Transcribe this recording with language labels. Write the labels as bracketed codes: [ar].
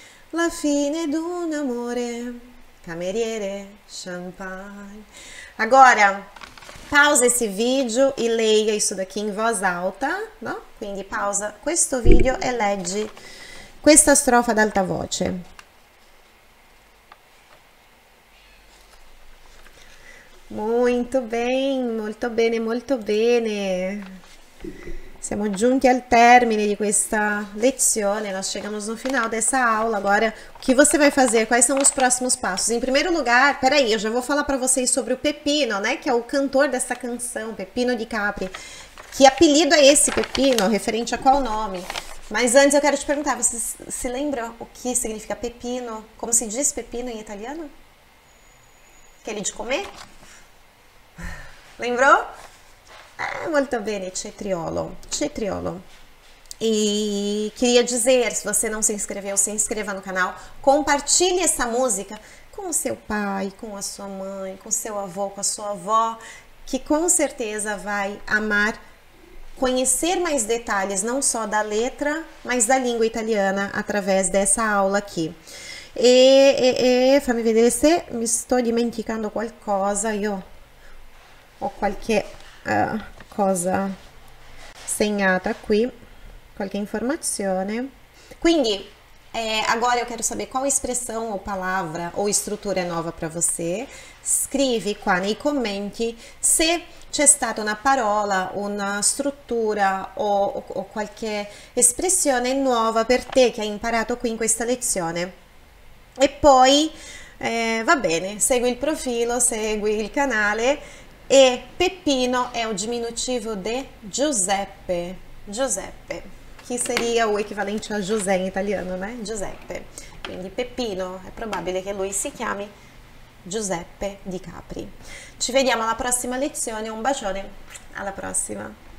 [it] La fine di un amore, cameriere, champagne. [pt] Agora, pausa esse vídeo e leia isso daqui em voz alta, não? [it] Quindi pausa questo video e leggi questa strofa ad alta voce. Molto bene, molto bene. Siamo giunti al termine di questa lezione, [pt] nós chegamos no final dessa aula. Agora, o que você vai fazer? Quais são os próximos passos? Em primeiro lugar, peraí, eu já vou falar para vocês sobre o Pepino, né? Que é o cantor dessa canção, Pepino di Capri. Que apelido é esse Pepino, referente a qual nome? Mas antes eu quero te perguntar, você se lembra o que significa Pepino? Como se diz Pepino em italiano? Aquele de comer? Lembrou? [it] Molto bene, cetriolo, cetriolo. [pt] E queria dizer, se você não se inscreveu, se inscreva no canal, compartilhe essa música com o seu pai, com a sua mãe, com seu avô, com a sua avó, que com certeza vai amar conhecer mais detalhes, não só da letra, mas da língua italiana, através dessa aula aqui. [it] E fammi vedere se mi sto dimenticando qualcosa, io ho qualche... cosa segnata qui, qualche informazione. Quindi, [pt] agora eu quero saber qual expressão ou palavra ou estrutura é nova para você. [it] Scrivi qua nei commenti se c'è stata una parola, una struttura o qualche espressione nuova per te che hai imparato qui in questa lezione. E poi, va bene, segui il profilo, segui il canale. [pt] E Pepino é o diminutivo de Giuseppe. Giuseppe, que seria o equivalente a José em italiano, né? Giuseppe. [it] Quindi Pepino, é probabile que lui si chiami Giuseppe di Capri. Ci vediamo alla prossima lezione. Un bacione, alla prossima.